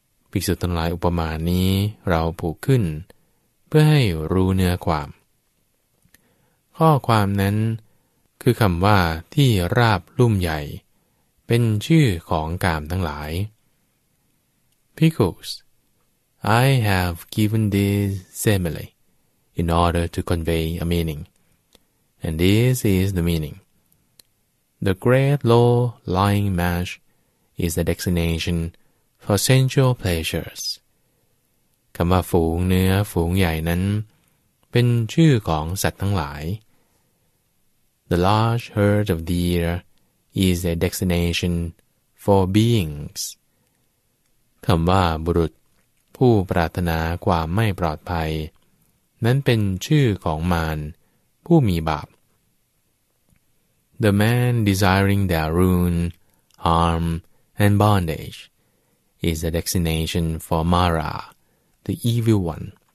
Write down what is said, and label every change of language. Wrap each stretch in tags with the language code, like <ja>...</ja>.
<th>ภิกษุทั้งหลายอุปมานี้เราผูกขึ้นเพื่อให้รู้เนื้อความข้อความนั้นคือคำว่าที่ราบลุ่มใหญ่เป็นชื่อของกามทั้งหลาย</th> <en>Because I have given this simile in order to convey a meaning, and this is the meaning. The great low-lying marsh is the destinationfor sensual pleasures.</en> <th>คำว่าฝูงเนื้อฝูงใหญ่นั้น เป็นชื่อของสัตว์ทั้งหลาย</th> <en>The large herd of deer is a designation for beings.</en> <th>คำว่าบุรุษผู้ปรารถนาความไม่ปลอดภัยนั้นเป็นชื่อของมารผู้มีบาป</th> <en>The man desiring their ruin, harm, and bondage is a designation for Mara, the evil one.</en>